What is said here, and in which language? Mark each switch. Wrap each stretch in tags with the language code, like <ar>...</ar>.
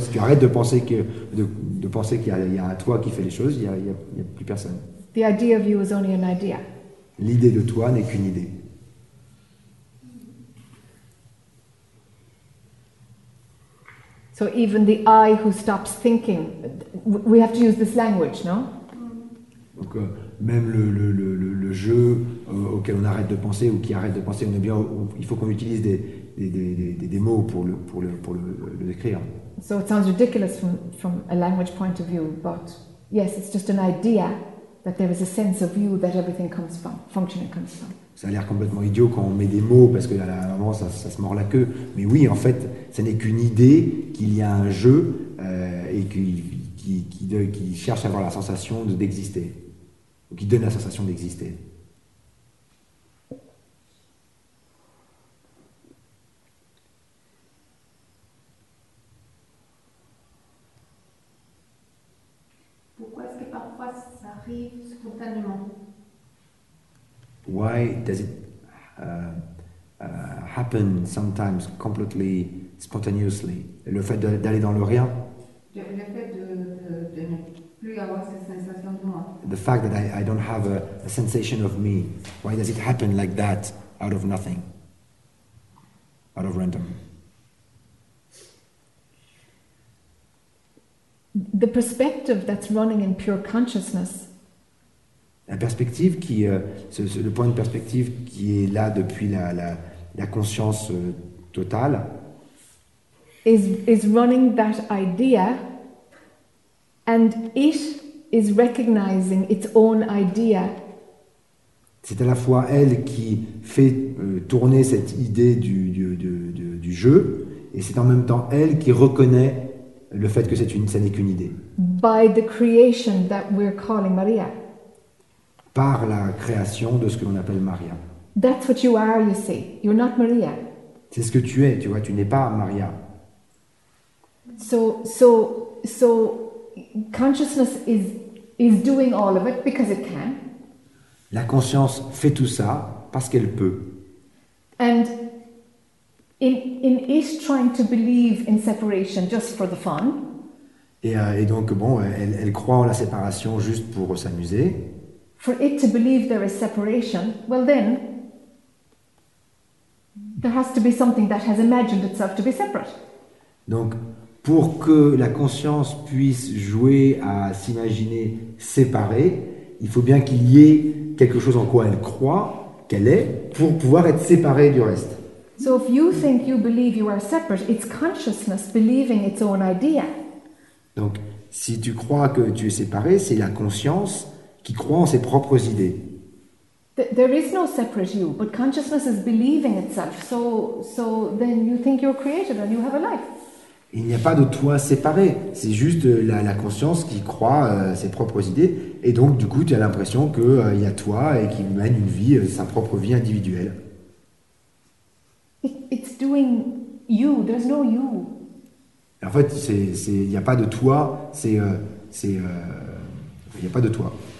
<fr>Si tu arrêtes de penser qu'il y a toi qui fait les choses, il n'y a plus personne.</fr> <en>The idea of you is only an idea.</en> <fr>L'idée de toi n'est qu'une idée.</fr> <en>So even the I who stops thinking, we have to use this language, no?</en> <fr>Donc même le jeu auquel on arrête de penser ou qui arrête de penser, il faut qu'on utilise des mots pour le décrire.</fr> <en>So it sounds ridiculous from a language point of view, but yes, it's just an idea that there is a sense of you that everything comes from, functioning comes from.</en> <fr>Ça a l'air complètement idiot quand on met des mots parce que normalement ça se mord la queue. Mais oui, en fait, ce n'est qu'une idée qu'il y a un jeu et qui cherche à avoir la sensation d'exister. Ou qui donne la sensation d'exister. Pourquoi est-ce que parfois ça arrive spontanément?</fr> <en>Why does it happen sometimes completely spontaneously?</en> <fr>Le fait d'aller dans le rien? Le fait de ne plus avoir cette sensation de moi.</fr> <en>The fact that I don't have a sensation of me. Why does it happen like that out of nothing? Out of random? The perspective that's running in pure consciousness.</en> <fr>La perspective qui, le point de perspective qui est là depuis la conscience totale,</fr> <en>is running that idea, and it is recognizing its own idea.</en> <fr>C'est à la fois elle qui fait tourner cette idée du jeu, et c'est en même temps elle qui reconnaît le fait que ça n'est qu'une idée.</fr> <en>By the creation that we're calling Maria.</en> <fr>Par la création de ce que l'on appelle Maria.</fr> <en>That's what you are, you see. You're not Maria.</en> <fr>C'est ce que tu es, tu vois, tu n'es pas Maria.</fr> <en>So consciousness is doing all of it because it can.</en> <fr>La conscience fait tout ça parce qu'elle peut.</fr> <en>And in it trying to believe in separation just for the fun.</en> <fr>Et donc bon, elle croit en la séparation juste pour s'amuser.</fr> <en>For it to believe there is separation, well then, there has to be something that has imagined itself to be separate.</en> <fr>Donc, pour que la conscience puisse jouer à s'imaginer séparée, il faut bien qu'il y ait quelque chose en quoi elle croit qu'elle est pour pouvoir être séparée du reste.</fr> <en>So if you think you believe you are separate, it's consciousness believing its own idea.</en> <fr>Donc, si tu crois que tu es séparé, c'est la conscience qui croit en ses propres idées.</fr> <en>There is no separate you, but consciousness is believing itself. So then you think you're created and you have a life.</en> <fr>Il n'y a pas de toi séparé. C'est juste la conscience qui croit ses propres idées. Et donc, du coup, tu as l'impression qu'il y a toi et qu'il mène une vie, sa propre vie individuelle.</fr> <en>It's doing you. There's no you.</en> <fr>En fait, il n'y a pas de toi, il n'y a pas de toi.</fr>